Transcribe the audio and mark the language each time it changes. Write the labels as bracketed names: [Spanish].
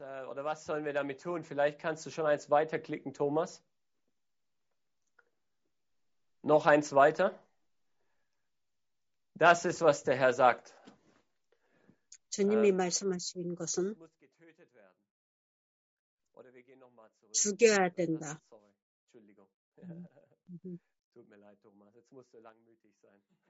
[German] oder was sollen wir damit tun? Vielleicht kannst du schon eins weiterklicken, Thomas. Noch eins weiter. Das ist, was der Herr sagt. [Korean] 주님이 말씀하신 것은 [German] muss getötet werden. Oder wir gehen nochmal zurück. [Korean] 죽여야 된다. [German] Sorry. Entschuldigung. Tut mir leid, Thomas. Jetzt musst du langmütig sein.